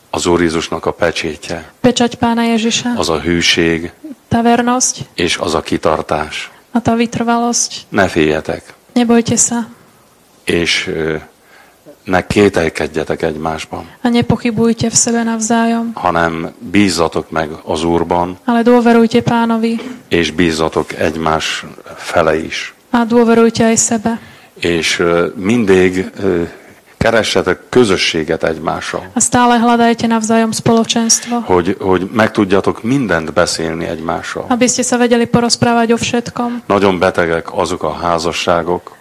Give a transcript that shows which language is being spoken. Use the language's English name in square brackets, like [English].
[Hungarian] Az Úr Jézusnak a pečétje. [Slovak] Pečať Pána Ježiša. [Hungarian] Az a hűség. [Slovak] Tá vernosť. [Hungarian] És az a kitartás. [Slovak] A tá vytrvalosť. [Hungarian] Ne féljetek. [Slovak] Nebojte sa. [Hungarian] És ne kételkedjetek egymásban. [Slovak] A nepochybujte v sebe navzájom. [Hungarian] Hanem bízzatok meg az Úrban. [Slovak] Ale dôverujte Pánovi. [Hungarian] És bízzatok egymás fele is. [Slovak] A dôverujte aj sebe. [Hungarian] És mindig keressetek közösséget egymással. [Slovak] A stále hľadajte navzájom spoločenstvo. [Hungarian] Hogy meg tudjatok mindent beszélni egymással. [Slovak] Aby ste sa vedeli porozprávať o všetkom. [Hungarian] Nagyon betegek azok a házasságok.